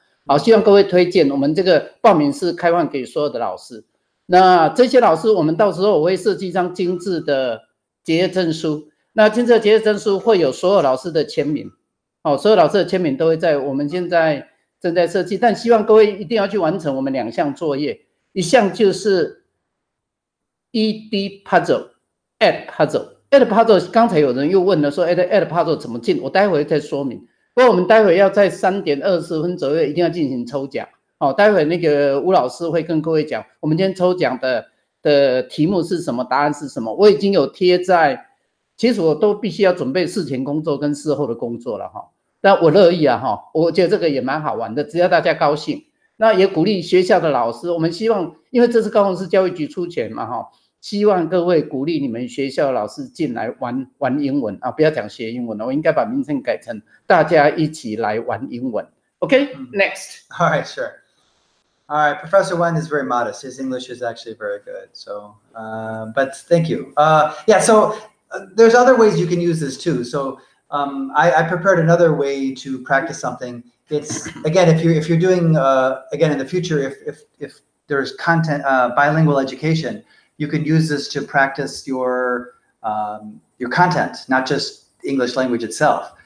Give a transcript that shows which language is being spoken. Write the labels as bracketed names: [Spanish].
[Chinese] 好，希望各位推荐，我们这个报名是开放给所有的老师。那这些老师，我们到时候我会设计一张精致的结业证书。那精致的结业证书会有所有老师的签名。所有老师的签名都会在我们现在正在设计，但希望各位一定要去完成我们两项作业。一项就是 ED Puzzle, Add Puzzle. Add Puzzle, 刚才有人又问了说 Add Puzzle 怎么进，我待会再说明。不过我们待会要在3点20分左右一定要进行抽奖。待会那个吴老师会跟各位讲我们今天抽奖 的题目是什么，答案是什么。我已经有贴在，其实我都必须要准备事前工作跟事后的工作了。但我乐意啊，我觉得这个也蛮好玩的，只要大家高兴。那也鼓励学校的老师，我们希望，因为这是高雄市教育局出钱嘛，希望各位鼓励你们学校的老师进来玩玩英文啊，不要讲学英文了，我应该把名称改成大家一起来玩英文。 [English] OK, next. All right, sure. All right, Professor Wen is very modest. His English is actually very good. So, but thank you. So there's other ways you can use this too. So, I prepared another way to practice something. It's again, if you're doing again in the future, if there's content bilingual education, you can use this to practice your content, not just English language itself.